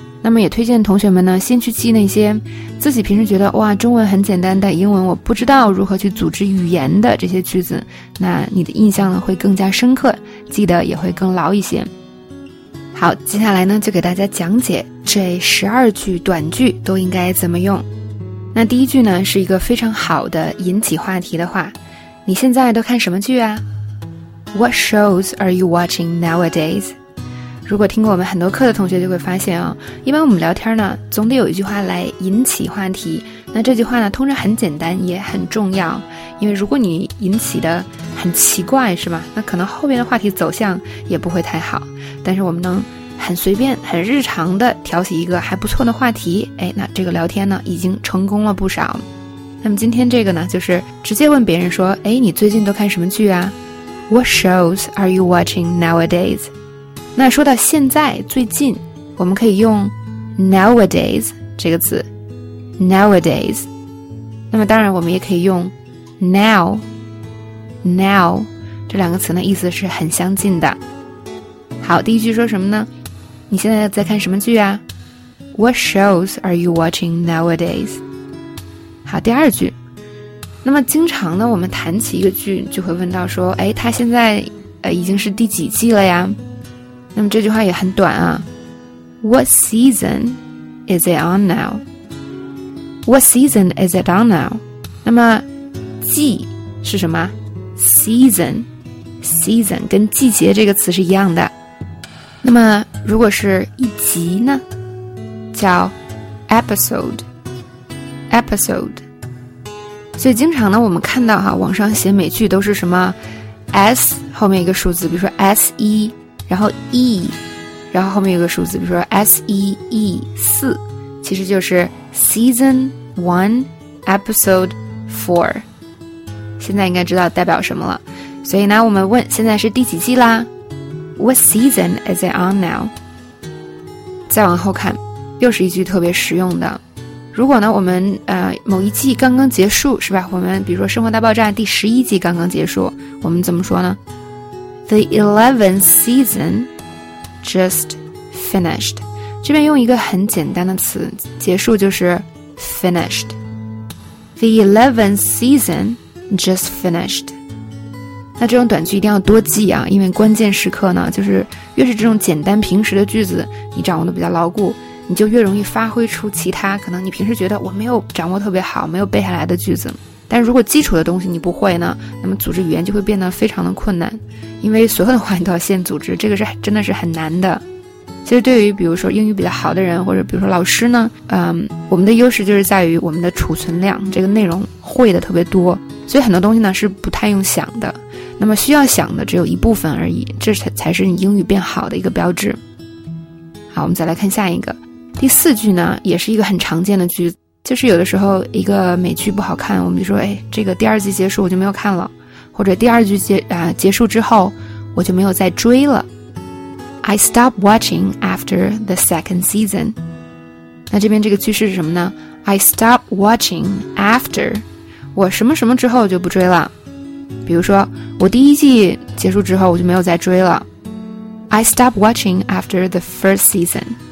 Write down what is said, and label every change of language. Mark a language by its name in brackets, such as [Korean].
[Chinese] 那么也推荐同学们呢，先去记那些自己平时觉得哇，中文很简单，但英文我不知道如何去组织语言的这些句子，那你的印象呢会更加深刻，记得也会更牢一些。好，接下来呢就给大家讲解这12句短句都应该怎么用。那第一句呢是一个非常好的引起话题的话，你现在都看什么剧啊？ [English] What shows are you watching nowadays? [Chinese] 如果听过我们很多课的同学就会发现啊，一般我们聊天呢总得有一句话来引起话题，那这句话呢通常很简单也很重要，因为如果你引起的很奇怪是吧，那可能后边的话题走向也不会太好，但是我们能很随便很日常的挑起一个还不错的话题，哎，那这个聊天呢已经成功了不少。那么今天这个呢就是直接问别人说，哎，你最近都看什么剧啊？ [English] What shows are you watching nowadays? [Chinese] 那说到现在最近，我们可以用 nowadays 这个词 nowadays， 那么当然我们也可以用 now 这两个词呢意思是很相近的。好，第一句说什么呢？你现在在看什么剧啊？ [English] What shows are you watching nowadays? [Chinese] 好，第二句，那么经常呢我们谈起一个剧就会问到说，哎，它现在已经是第几季了呀？那么这句话也很短啊， [English] What season is it on now? What season is it on now? [Chinese] 那么季是什么？ Season 跟季节这个词是一样的。那么如果是一集呢，叫 Episode。所以经常呢我们看到哈，网上写美剧都是什么 S 后面一个数字，比如说 S1然后 E， 然后后面有个数字，比如说 SEE4， 其实就是 Season 1 Episode 4。现在应该知道代表什么了，所以呢我们问现在是第几季啦？ [English] What season is it on now? [Chinese] 再往后看，又是一句特别实用的。如果呢我们某一季刚刚结束是吧，我们比如说生活大爆炸第11季刚刚结束，我们怎么说呢？ [English] The 11th season just finished. [Chinese] 这边用一个很简单的词，结束就是 finished. [English] The 11th season just finished. [Chinese] 那这种短句一定要多记啊，因为关键时刻呢，就是越是这种简单平时的句子，你掌握的比较牢固，你就越容易发挥出其他，可能你平时觉得我没有掌握特别好，没有背下来的句子。但如果基础的东西你不会呢，那么组织语言就会变得非常的困难，因为所有的话你都要先组织，这个是真的是很难的。其实对于比如说英语比较好的人，或者比如说老师呢，我们的优势就是在于我们的储存量，这个内容会的特别多，所以很多东西呢是不太用想的，那么需要想的只有一部分而已，这才是你英语变好的一个标志。好，我们再来看下一个，第四句呢也是一个很常见的句子，就是有的时候一个美剧不好看，我们就说，哎，这个第二季结束我就没有看了，或者第二季结束之后我就没有再追了。 [English] I stopped watching after the second season. [Chinese] 那这边这个句式是什么呢？ [English] I stopped watching after [Chinese] 我什么什么之后就不追了，比如说我第一季结束之后我就没有再追了。 [English] I stopped watching after the first season.